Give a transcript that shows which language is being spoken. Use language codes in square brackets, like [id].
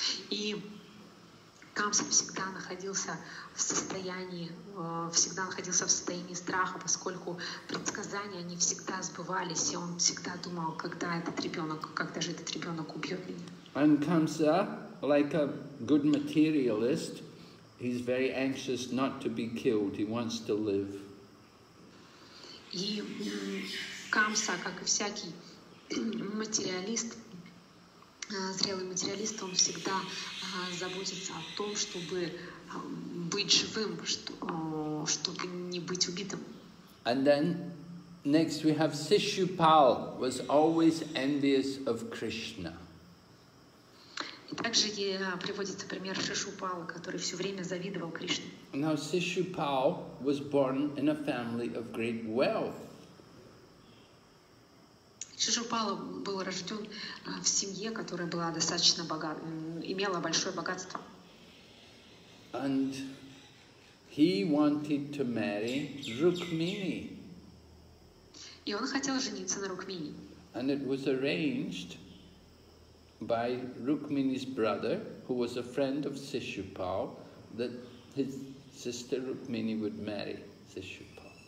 [ru] И Камса всегда находился в состоянии, страха, поскольку предсказания, они всегда сбывались, и он всегда думал, когда же этот ребенок убьет меня. [en] And Kamsa, like a good materialist, he's very anxious not to be killed, he wants to live. [ru] И Камса, как и всякий материалист, зрелый материалист, он всегда заботится о том, чтобы быть живым, чтобы не быть убитым. [en] And then next we have Sishupal was always envious of Krishna. [ru] И также приводится пример Шишупала, который все время завидовал Кришне. [en] Now Sishupal was born in a family of great wealth. [ru] Шишупала был рожден в семье, которая была достаточно имела большое богатство. [en] And he wanted to marry Rukmini. [ru] И он хотел жениться на Рукмини. [en] And it was arranged by Rukmini's brother, who was a friend of Sishupal, that his sister Rukmini would marry Sishupal.